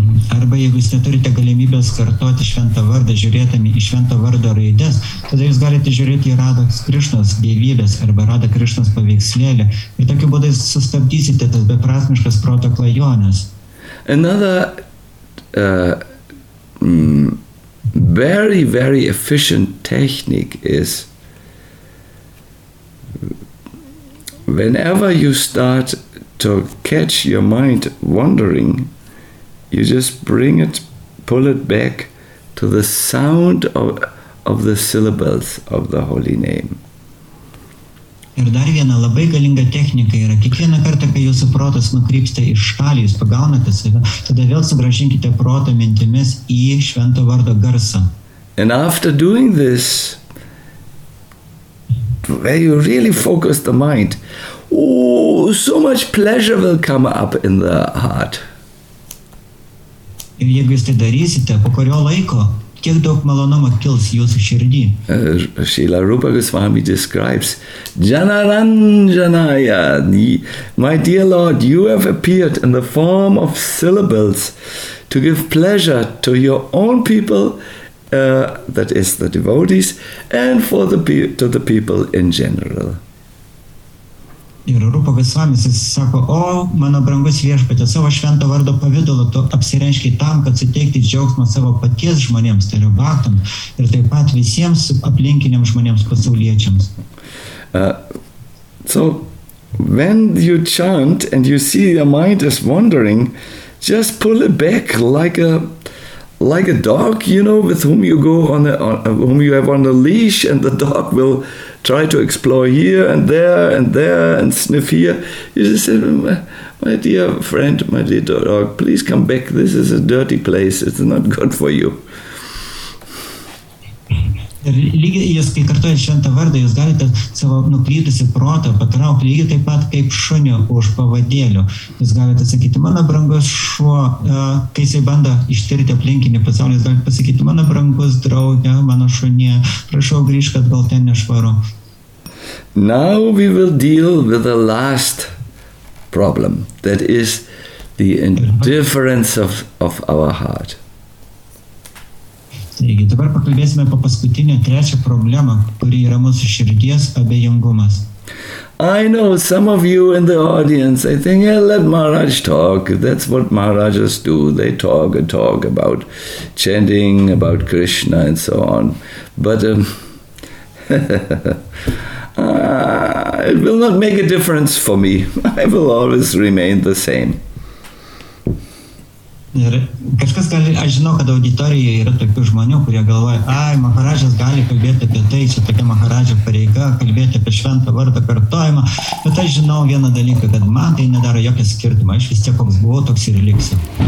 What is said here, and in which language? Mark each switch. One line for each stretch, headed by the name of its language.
Lithuanian: Arba jeigu jūs neturite galimybės kartoti šventą vardą, žiūrėtami į šventą vardą raides, tada jūs galite žiūrėti į Radha Krishnas dievybės arba Radha Krishnas paveikslėlį ir tokiu būdu sustabdysite tas beprasmiškas proto klajonės.
English: Another very, very efficient technique is whenever you start to catch your mind wandering, you just bring it, pull it back to the sound of the syllables of the holy name.
Lithuanian: Ir dar viena labai galinga technika yra, kiekvieną kartą, kai jūsų protas nukrypsta į šalį, jūs pagaunate save, tada vėl sugrąžinkite protą mintimis į švento vardo garsą.
English: And after doing this, where you really focus the mind, so much pleasure will come up in the heart.
Lithuanian: Ir jeigu jūs tai darysite, po kurio laiko, kiek daug malonumo kils jūsų širdį.
English: Srila Rupa Goswami describes, Janaranjanaya, my dear Lord, you have appeared in the form of syllables to give pleasure to your own people, that is the devotees, and for the to the people in general.
Lithuanian: Ir Rupa Goswamis sako, o mano brangus viešpatė, savo švento vardo pavidalo tu apsireiškiai tam, kad suteikti džiaugsmą savo paties žmonėms, tai yra baktam, ir taip pat visiems aplinkiniams žmonėms pasauliečiams.
English: So, when you chant and you see your mind is wandering, just pull it back like a dog, you know, with whom you go whom you have on a leash, and the dog will try to explore here and there and sniff here. You just say, my dear friend, my dear dog, please come back. This is a dirty place. It's not good for you.
Lithuanian: Ir lygiai jūs, kai kartuoja šventą vardą, jūs galite savo nuklydusį protą patraukti lygiai taip pat kaip šunio už pavadėlio. Jūs galite sakyti, mano brangus šuo, kai jisai bando ištirti aplinkinį pasaulį, jūs galite pasakyti, mano brangus draugė, mano šunė, prašau grįžk, kad gal ten nešvaru.
English: Now we will deal with the last problem, that is the indifference of our heart.
Lithuanian: Taigi, dabar pakalbėsime apie paskutinę, trečią problemą, kuri yra mūsų širdies abejingumas.
English: I know some of you in the audience, I think, yeah, let Maharaj talk. That's what Maharajas do. They talk and talk about chanting, about Krishna and so on. But it will not make a difference for me. I will always remain the same.
Lithuanian: Ir kažkas gali, aš žinau, kad auditorijoje yra tokių žmonių, kurie galvoja, ai, Maharajas gali kalbėti apie tai, čia tokia Maharajo pareiga, kalbėti apie šventą vardą kartojimą, bet aš žinau vieną dalyką, kad man tai nedaro jokio skirtumą, aš vis tiek koks buvau, toks ir liksiu.